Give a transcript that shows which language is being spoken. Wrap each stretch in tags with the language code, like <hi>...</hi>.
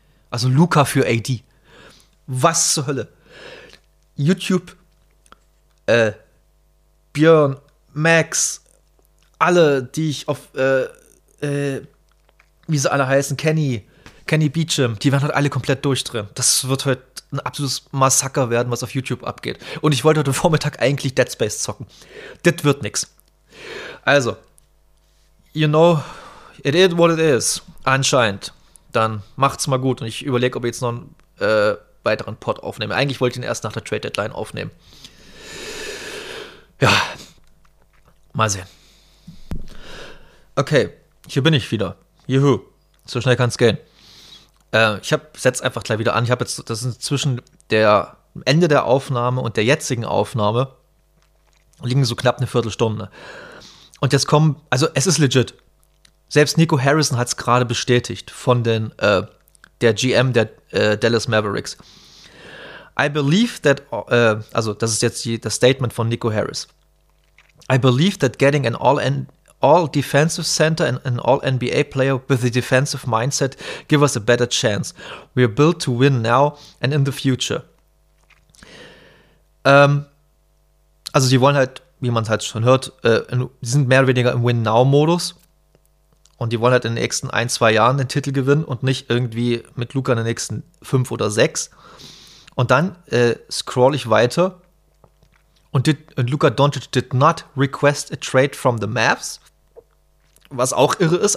<de>Also Luca für AD. Was zur Hölle? YouTube, Björn, Max, alle, die ich auf, wie sie alle heißen, Kenny Beecham, die werden halt alle komplett durchdrehen. Das wird heute ein absolutes Massaker werden, was auf YouTube abgeht. Und ich wollte heute Vormittag eigentlich Dead Space zocken. Das wird nix.</de> <en>Also, you know, it is what it is.</en> <de>Anscheinend. Dann macht's mal gut. Und ich überlege, ob ich jetzt noch einen weiteren Pod aufnehme. Eigentlich wollte ich ihn erst nach der Trade-Deadline aufnehmen. Ja. Mal sehen. Okay, hier bin ich wieder. Juhu. So schnell kann's gehen. Ich setze einfach gleich wieder an. Ich habe jetzt, das ist zwischen der Ende der Aufnahme und der jetzigen Aufnahme, liegen so knapp eine Viertelstunde. Und jetzt kommen, also es ist legit. Selbst Nico Harrison hat es gerade bestätigt von den, der GM der Dallas Mavericks.</de> <en>I believe that,</en> <de>also das ist jetzt das Statement von Nico Harris.</de> <en>I believe that getting an All defensive center and an all NBA player with a defensive mindset give us a better chance. We are built to win now and in the future.</en> <de>Also sie wollen halt, wie man es halt schon hört, sie sind mehr oder weniger im Win-Now-Modus und die wollen halt in den nächsten ein, zwei Jahren den Titel gewinnen und nicht irgendwie mit Luka in den nächsten fünf oder sechs. Und dann scroll ich weiter. Und</de> <en>Luka Doncic did not request a trade from the Mavs,</en> <de>was auch irre ist.</de>